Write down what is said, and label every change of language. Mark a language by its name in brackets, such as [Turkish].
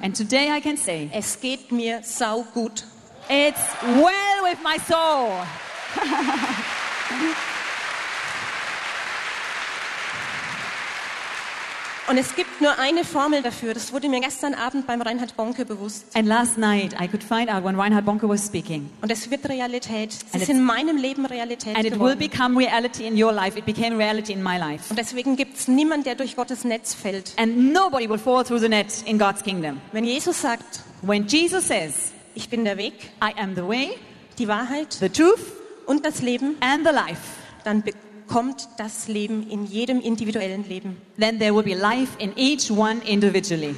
[English] And today I can say. [German] Es geht mir sau gut. [English] It's well with my soul. [German] Und es gibt nur eine Formel dafür. Das wurde mir gestern Abend beim Reinhard Bonke bewusst. [English] And last night I could find out when Reinhard Bonke was speaking. [German] Und es wird Realität. Es ist in meinem Leben Realität geworden. [English] And it will become reality in your life. It became reality in my life. [German] Und deswegen gibt's niemand, der durch Gottes Netz fällt. [English] And nobody will fall through the net in God's kingdom. [German] Wenn Jesus sagt, [English] when Jesus says, [German] ich bin der Weg, [English] I am the way, [German] die Wahrheit, [English] the truth, [German] und das Leben, [English] and the life, [German] dann kommt das Leben in jedem individuellen Leben. [English] Then there will be life in each one individually.